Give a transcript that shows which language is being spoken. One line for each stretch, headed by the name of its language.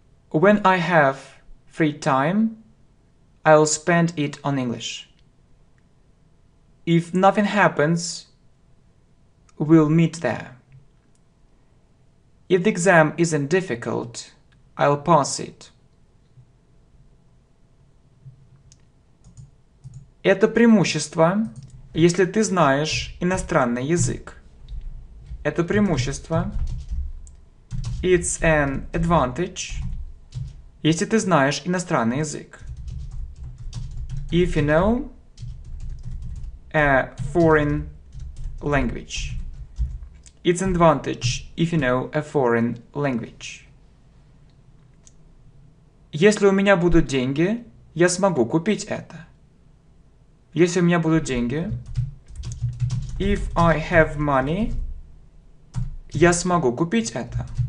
English: When I have free time, I'll spend it on English. If nothing happens, we'll meet there. If the exam isn't difficult, I'll pass it.
Russian: Это преимущество, если ты знаешь иностранный язык. Это преимущество.
English: It's an advantage,
Russian: если ты знаешь иностранный язык.
English: If you know a foreign language. It's an advantage if you know a foreign language.
Russian: Если у меня будут деньги, я смогу купить это. Если у меня будут деньги,
English: if I have money,
Russian: я смогу купить это.